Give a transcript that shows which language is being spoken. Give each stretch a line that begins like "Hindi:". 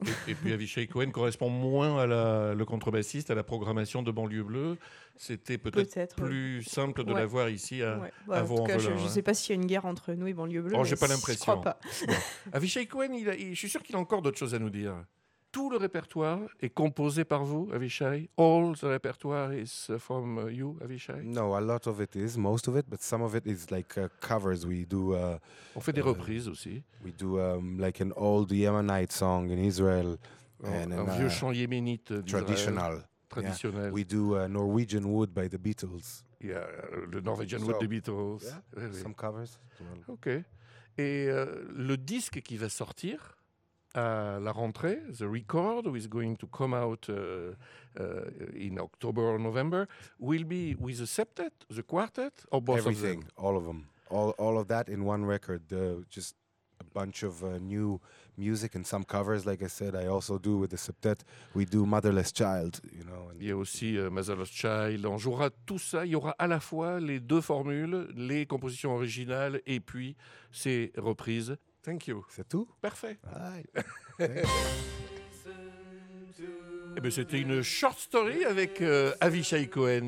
French: Et puis Avishai Cohen correspond moins le contrebassiste à la programmation de banlieue bleue. C'était peut-être plus simple de l'avoir ici à Vaux-en-Velin. En tout cas, je ne sais pas s'il y a une guerre entre nous et banlieue bleue. J'ai pas l'impression. Je crois pas. Avishai Cohen, je suis sûr qu'il a encore d'autres choses à nous dire. Tout le répertoire est composé par vous, Avishai?
English: All the repertoire is from you, Avishai? No, a lot of it is, most of it, but some of it is like covers. We do.
French: On fait des reprises aussi.
English: We do like an old Yemenite song in Israel.
French: Un vieux chant yéménite d'Israël. Traditionnel.
English: Yeah. We do Norwegian Wood by the Beatles.
French: Yeah, the Norwegian Wood des Beatles.
English: Yeah, really. Some covers. Ok.
French: Et le disque qui va sortir à la rentrée,
English: the record is going to come out in October or November, will be with the septet, the quartet, or both everything, of them? Everything, all of them. All of that in one record. Just a bunch of new music and some covers, like I said, I also do with the septet. We do Motherless Child, you know.
French: And il y a aussi Motherless Child. On jouera tout ça. Il y aura à la fois les deux formules, les compositions originales et puis ces reprises.
English: Thank you.
French: C'est tout? Parfait.
English: Right.
French: Et ben c'était une short story avec Avishai Cohen.